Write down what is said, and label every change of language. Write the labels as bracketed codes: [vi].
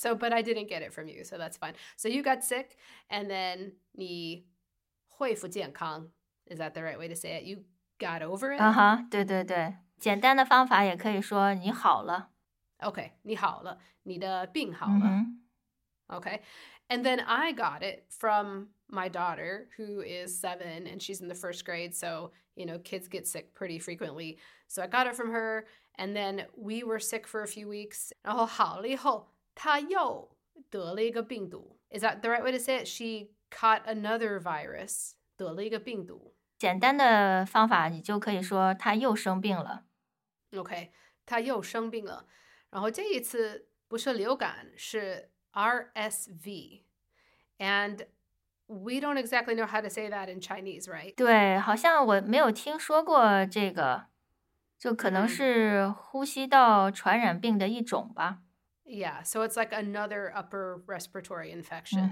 [en] So, but I didn't get it from you, so that's fine. So you got sick, and then [zh] 你恢复健康 [en] ，Is that the right way to say it? You got over it. [zh] 啊哈，对对对，简单的方法也可以说你好了。 Okay, 你好了，你的病好了。 Mm-hmm. [en] Okay, and then I got it from. My daughter, who is 7, and she's in the first grade, so, you know, kids get sick pretty frequently. So I got it from her, and then we were sick for a few weeks. [zh] 然后好了以后，她又得了一个病毒。 [en] Is that the right way to say it? She caught another virus, [zh] 得了一个病毒。简单的方法，你就可以说她又生病了。 Okay, 她又生病了。然后这一次不是流感，是 RSV. And... [en] We don't exactly know how to say that in Chinese, right? [zh] 对，好像我没有听说过这个，就可能是呼吸道传染病的一种吧。 [en] Yeah, so it's like another upper respiratory infection.